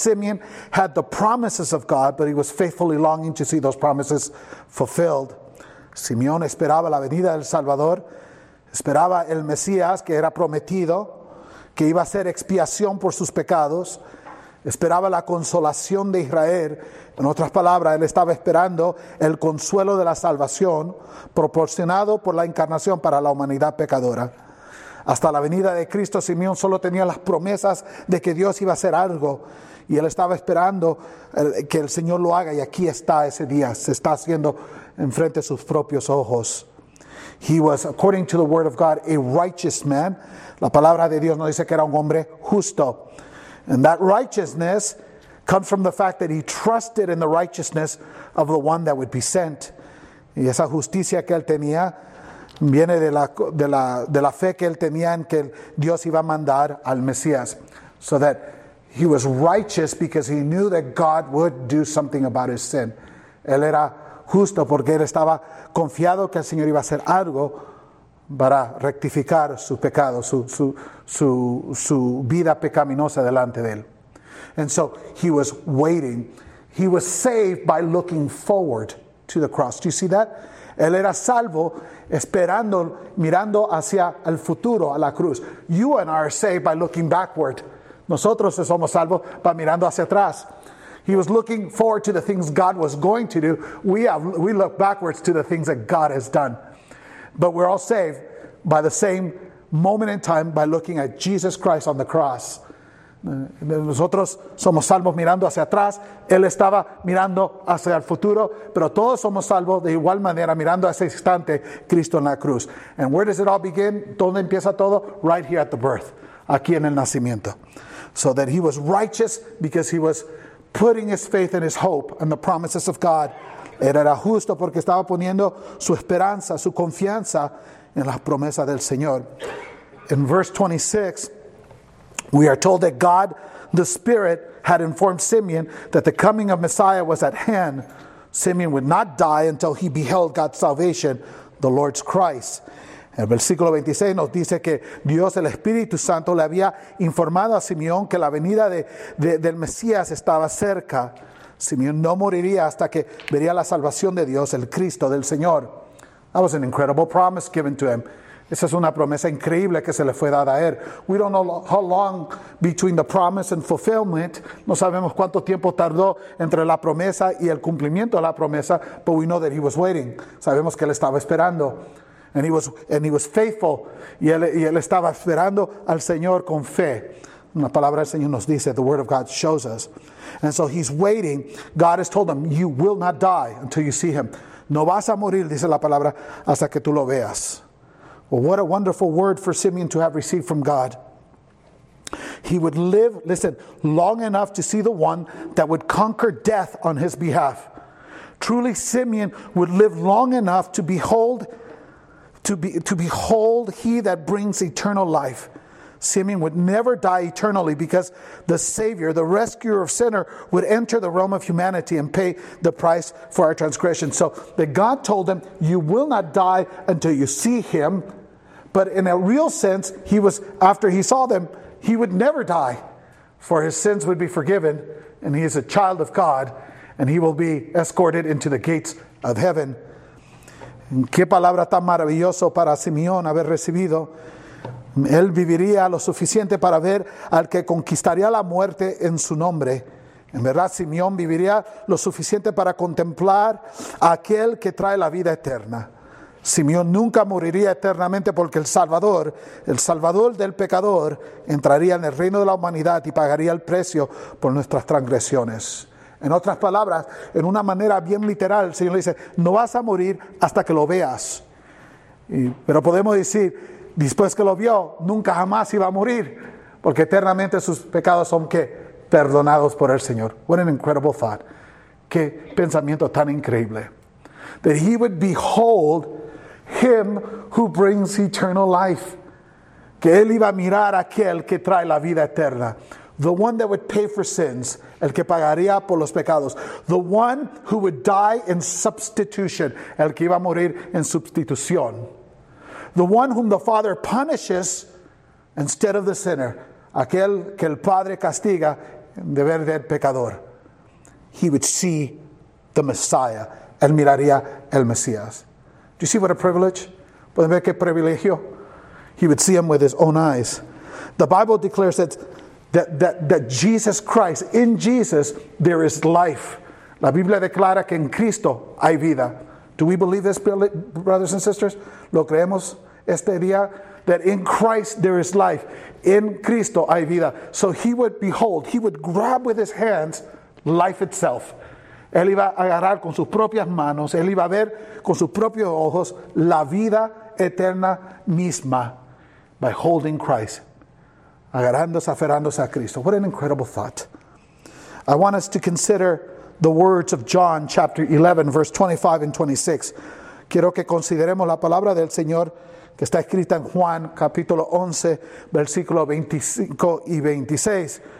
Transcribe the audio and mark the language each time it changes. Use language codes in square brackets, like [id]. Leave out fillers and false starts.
[en] Simeon had the promises of God, but he was faithfully longing to see those promises fulfilled. [es] Simeón esperaba la venida del Salvador, esperaba el Mesías que era prometido, que iba a ser expiación por sus pecados. esperaba la consolación de Israel. En otras palabras, él estaba esperando el consuelo de la salvación proporcionado por la encarnación para la humanidad pecadora. Hasta la venida de Cristo, Simeón solo tenía las promesas de que Dios iba a hacer algo. Y él estaba esperando que el Señor lo haga. Y aquí está ese día. Se está haciendo enfrente de sus propios ojos. [en] He was, according to the word of God, a righteous man. [es] La palabra de Dios nos dice que era un hombre justo. [en] And that righteousness comes from the fact that he trusted in the righteousness of the one that would be sent. [es] Y esa justicia que él tenía viene de la fe que él tenía en que Dios iba a mandar al Mesías. [en] So that he was righteous because he knew that God would do something about his sin. [es] Él era justo porque él estaba confiado que el Señor iba a hacer algo para rectificar su pecado, su vida pecaminosa delante de él. [en] And so he was waiting. He was saved by looking forward to the cross. Do you see that? [es] Él era salvo esperando, mirando hacia el futuro, a la cruz. [en] You and I are saved by looking backward. [es] Nosotros somos salvos [en] by [es] mirando hacia atrás. [en] He was looking forward to the things God was going to do. We look backwards to the things that God has done. But we're all saved by the same moment in time by looking at Jesus Christ on the cross. [es] Nosotros somos salvos mirando hacia atrás. Él estaba mirando hacia el futuro. Pero todos somos salvos de igual manera mirando hacia ese instante, Cristo en la cruz. [en] And where does it all begin? [es] ¿Dónde empieza todo? [en] Right here at the birth. [es] Aquí en el nacimiento. [en] So that he was righteous because he was putting his faith and his hope in the promises of God. [es] Él era justo porque estaba poniendo su esperanza, su confianza en las promesas del Señor. [en] In verse 26, we are told that God, the Spirit, had informed Simeon that the coming of Messiah was at hand. Simeon would not die until he beheld God's salvation, the Lord's Christ. [es] El versículo 26 nos dice que Dios, el Espíritu Santo, le había informado a Simeón que la venida del Mesías estaba cerca. Simeón no moriría hasta que vería la salvación de Dios, el Cristo del Señor. [en] That was an incredible promise given to him. [es] Esa es una promesa increíble que se le fue dada a él. [en] We don't know how long between the promise and fulfillment. [es] No sabemos cuánto tiempo tardó entre la promesa y el cumplimiento de la promesa, [en] but we know that he was waiting. [es] Sabemos que él estaba esperando. [en] And he was faithful. [es] Y él estaba esperando al Señor con fe. La palabra del Señor nos dice, [en] the word of God shows us. And so he's waiting. God has told him, you will not die until you see him. [es] No vas a morir, dice la palabra, hasta que tú lo veas. [en] Well, what a wonderful word for Simeon to have received from God. He would live, listen, long enough to see the one that would conquer death on his behalf. Truly, Simeon would live long enough to behold he that brings eternal life. Simeon would never die eternally because the Savior, the rescuer of sinner, would enter the realm of humanity and pay the price for our transgression. So that God told him, you will not die until you see him. But in a real sense, he was, after he saw them, he would never die, for his sins would be forgiven, and he is a child of God, and he will be escorted into the gates of heaven. [es] Qué palabra tan maravillosa para Simeón haber recibido. Él viviría lo suficiente para ver al que conquistaría la muerte en su nombre. En verdad, Simeón viviría lo suficiente para contemplar a aquel que trae la vida eterna. Simeón nunca moriría eternamente porque el Salvador del pecador, entraría en el reino de la humanidad y pagaría el precio por nuestras transgresiones. En otras palabras, en una manera bien literal, el Señor le dice, no vas a morir hasta que lo veas. Pero podemos decir, después que lo vio, nunca jamás iba a morir, porque eternamente sus pecados son, ¿qué? Perdonados por el Señor. [en] What an incredible thought. [es] Qué pensamiento tan increíble. [en] That he would behold him who brings eternal life. [es] Que él iba a mirar a aquel que trae la vida eterna. [en] The one that would pay for sins, [es] el que pagaría por los pecados. [en] The one who would die in substitution, [es] el que iba a morir en sustitución. [en] The one whom the Father punishes instead of the sinner, [es] aquel que el Padre castiga en deber del pecador. [en] He would see the Messiah, [es] él miraría el Mesías. [en] Do you see what a privilege? [es] ¿Pueden ver qué privilegio? [en] He would see him with his own eyes. The Bible declares that That Jesus Christ, in Jesus, there is life. [es] La Biblia declara que en Cristo hay vida. [en] Do we believe this, brothers and sisters? [es] ¿Lo creemos este día? [en] That in Christ there is life. In [es] Cristo hay vida. [en] So he would behold, he would grab with his hands life itself. [es] Él iba a agarrar con sus propias manos, él iba a ver con sus propios ojos la vida eterna misma. [en] By holding Christ. [es] Agarrándose, aferrándose a Cristo. [en] What an incredible thought. I want us to consider the words of John chapter 11, verse 25 and 26. [es] Quiero que consideremos la palabra del Señor que está escrita en Juan capítulo 11, versículo 25 y 26.